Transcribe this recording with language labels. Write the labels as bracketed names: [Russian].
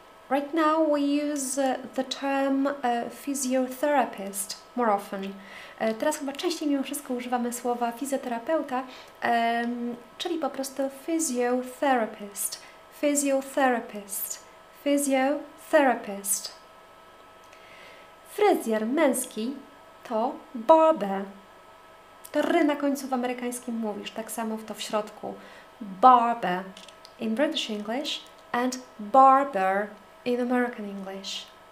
[English] Right now we use the term physiotherapist more often. [Polish] Teraz chyba częściej mimo wszystko używamy słowa fizjoterapeuta, czyli po prostu physiotherapist, physiotherapist, physiotherapist. Fryzjer męski to barber. To ry na końcu w amerykańskim mówisz, tak samo w to w środku. [English] Barber in British English and barber in American English.